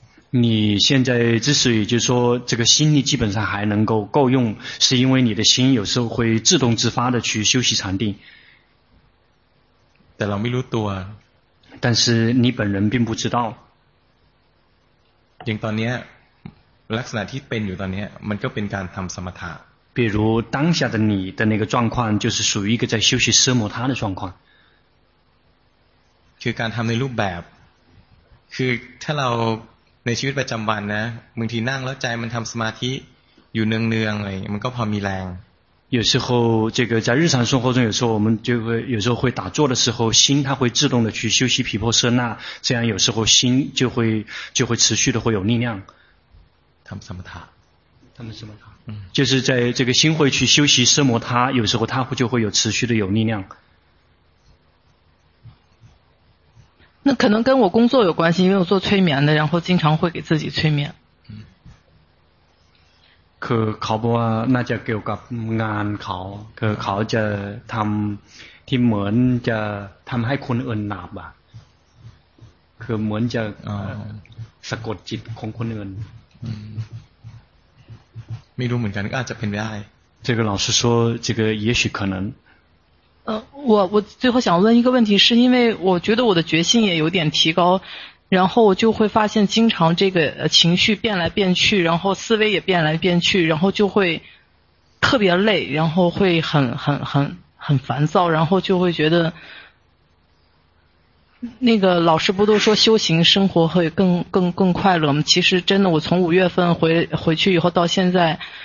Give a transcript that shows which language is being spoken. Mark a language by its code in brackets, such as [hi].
[zh] 你现在之所以就是说这个心力基本上还能够够用，是因为你的心有时候会自动自发的去休息禅定。 [th] แต่เราไม่รู้ตัว。 [zh] 但是你本人并不知道。 [th] อย่างตอนนี้ลักษณะที่เป็นอยู่ตอนนี้มันก็เป็นการทำสมถะ。 [zh] 比如当下的你的那个状况，就是属于一个在休息奢摩他的状况。 [th] คือการทำในรูปแบบคือถ้าเราในชีวิตประจำวันนะบางทีนั่งแล้วใจมันทำสมาธิอยู่เนืองๆอะไรมันก็พอมีแรง [zh] 有时候这个在日常生活中有时候我们就会有时候会打坐的时候心它会自动的去休息皮婆舍那这样有时候心就会持续的会有力量他们什么塔就是在这个心会去休息奢摩他有时候它就会有持续的有力量那可能跟我工作有关系，因为我做催眠的，然后经常会给自己催眠。嗯。 [th] คือเขาบอกว่าน่าจะเกี่ยวกับงานเขาคือเขาจะทำที่เหมือนจะทำให้คนอื่นหลับอ่ะคือเหมือนจะสะกดจิตของคนอื่น ไม่รู้เหมือนกันก็อาจจะเป็นได้ [zh] 这个老师说这个也许可能我最后想问一个问题，是因为我觉得我的觉性也有点提高，然后就会发现经常这个情绪变来变去，然后思维也变来变去，然后就会特别累，然后会很烦躁，然后就会觉得那个老师不都说修行生活会更快乐吗？其实真的，我从五月份回去以后到现在。